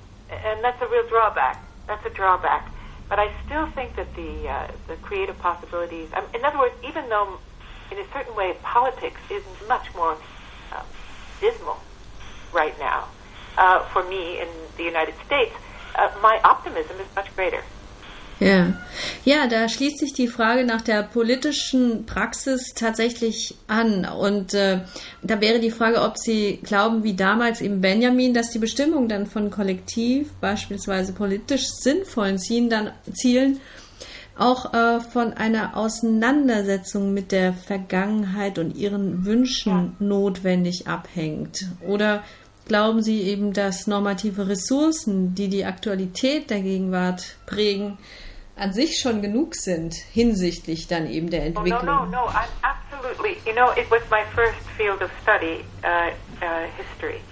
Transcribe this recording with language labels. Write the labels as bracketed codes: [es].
[en] And that's a real drawback. That's a drawback. But I still think that the creative possibilities, in other words, even though in a certain way politics is much more dismal right now for me in the United States, my optimism is much greater. [de] Ja. Ja, da schließt sich die Frage nach der politischen Praxis tatsächlich an. Und da wäre die Frage, ob Sie glauben, wie damals eben Benjamin, dass die Bestimmung dann von Kollektiv, beispielsweise politisch sinnvollen Zielen, auch von einer Auseinandersetzung mit der Vergangenheit und ihren Wünschen notwendig abhängt. Oder glauben Sie eben, dass normative Ressourcen, die die Aktualität der Gegenwart prägen, an sich schon genug sind hinsichtlich dann eben der Entwicklung? [en] Oh, no, I'm absolutely, you know, it was my first field of study, history.